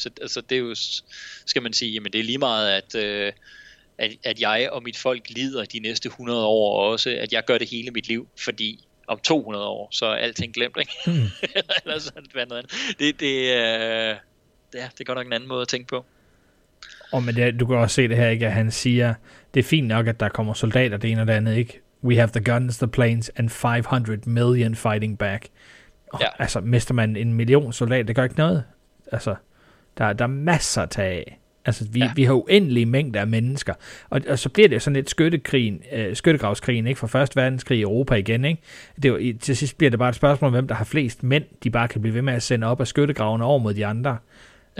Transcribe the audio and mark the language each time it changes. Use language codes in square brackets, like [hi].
[da] Så altså, det er jo, skal man sige, jamen, det er lige meget, at jeg og mit folk lider de næste 100 år, og også at jeg gør det hele mit liv, fordi om 200 år, så er alting glemt, ikke? Eller sådan et andet. Det er godt nok en anden måde at tænke på. Og men det, du kan også se det her, ikke, at han siger, det er fint nok, at der kommer soldater, det ene og det andet, ikke? [en] We have the guns, the planes, and 500 million fighting back. [da] Ja. Altså, mister man en million soldater, det gør ikke noget. Altså, der er masser at tage af. Altså, vi har uendelige mængder af mennesker. Og så bliver det sådan lidt skyttegravskrigen, ikke? Fra Første Verdenskrig i Europa igen, ikke? Til sidst bliver det bare et spørgsmål om, hvem der har flest mænd, de bare kan blive ved med at sende op af skyttegravene over mod de andre. Ja.